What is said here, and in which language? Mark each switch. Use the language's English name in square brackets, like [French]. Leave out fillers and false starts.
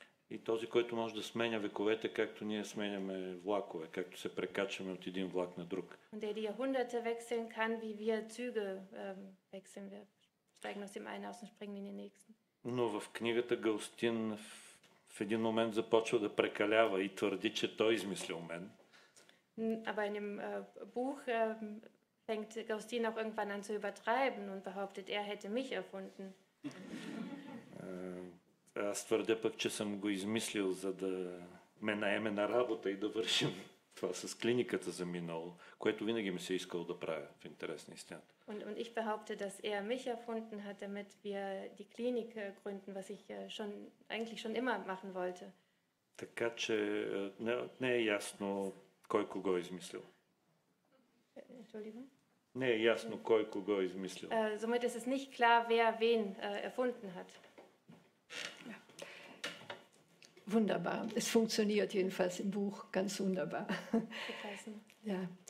[Bulgarian] И този, който може да сменя вековете, както ние сменяме влакове, както се прекачваме от един влак на друг. [German] Und der die Jahrhunderte wechseln kann, wie wir Züge wechseln. Wir steigen aus dem einen aus und springen in den nächsten. [Bulgarian] Но в книгата Галстин в един момент започва да прекалява и твърди, че той измислил мен. [German] Aber in dem Buch fängt Galstin auch irgendwann an zu übertreiben und behauptet, er hätte mich erfunden. [Bulgarian] Аз твърдя пък, че съм го измислил, за да ме наеме на работа и да вършим това с клиниката за минало, което винаги ми се е искало да правя, в интерес на истината. [German] Und ich behaupte, dass er mich erfunden hat, damit wir die Klinik gründen, was ich schon, eigentlich schon immer machen wollte. [Bulgarian] Така че не е ясно кой кого е измислил. [German] Entschuldigung. [Bulgarian] Не е ясно кой кого измислил. [German] Somit ist es nicht klar, wer wen erfunden hat. Wunderbar. Es funktioniert jedenfalls im Buch ganz wunderbar. Ja.